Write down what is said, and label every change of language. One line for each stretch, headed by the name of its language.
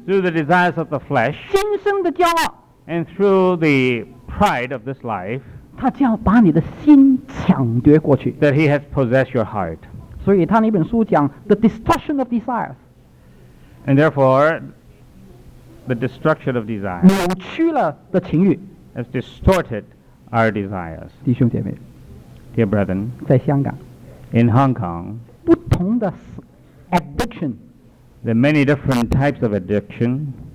English: through the desires of the flesh,
Chinese: 心生的骄傲,
English: and through the pride of this life,
Chinese: 他将把你的心抢夺过去,
English: that he has possessed your heart.
Chinese: 所以他那本书讲,
English: the destruction of desires, and therefore the destruction of desires,
Chinese: 扭曲了的情欲,
English: has distorted our desires.
Chinese: 弟兄姐妹,
English: dear brethren,
Chinese: 在香港,
English: in Hong Kong,
Chinese: 不同的 addiction,
English: there are many different types of addiction,